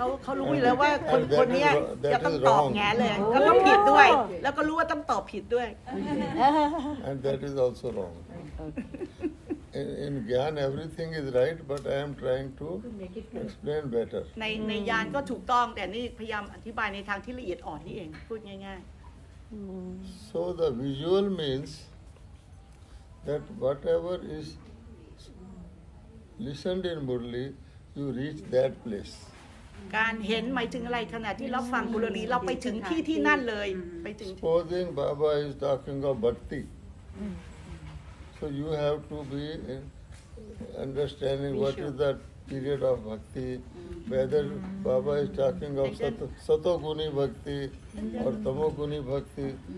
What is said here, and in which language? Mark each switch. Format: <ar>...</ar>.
<th>เขารู้อยู่แล้วว่าคนนี้จะต้องตอบแง่เลยก็ต้องผิดด้วยแล้วก็รู้ว่าต้องตอบผิดด้วย</th> <en>And that is also wrong. In gyan everything is right but I am trying to explain better</en> <th>ในญาณก็ถูกต้องแต่นี่พยายามอธิบายในทางที่ละเอียดอ่อนนี่เองพูดง่าย</th> <en>ๆ so the visual means that whatever is listened in Murali you reach that place</en> <th>การเห็นหมายถึงอะไรขณะที่เราฟังมุรลีเราไปถึงที่ที่นั่นเลยไปถึง</th> <en>supposing Baba is talking of bhakti So you have to be understanding what is that period of bhakti, whether Baba is talking of satoguni bhakti or tamoguni bhakti.</en>